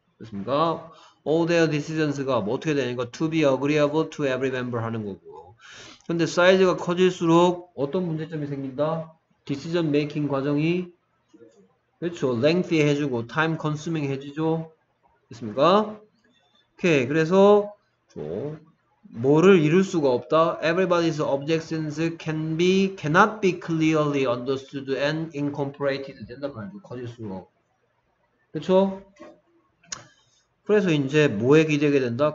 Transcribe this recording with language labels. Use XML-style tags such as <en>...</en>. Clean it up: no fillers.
<ko>그렇습니까?</ko> <en>All their decisions가</en> <ko>뭐 어떻게 되니까</ko> <en>to be agreeable to every member</en> <ko>하는 거고. 근데 사이즈가 커질수록 어떤 문제점이 생긴다? decision making 과정이 그렇죠. lengthy 해주고 time consuming 해주죠. 그렇습니까? 오케이. 그래서 뭐를 이룰 수가 없다.</ko> <en>Everybody's objections cannot be clearly understood and incorporated.</en> <ko>된단 말이죠. 커질수록. 그쵸? 그래서 이제 뭐에 기대게 된다?</ko>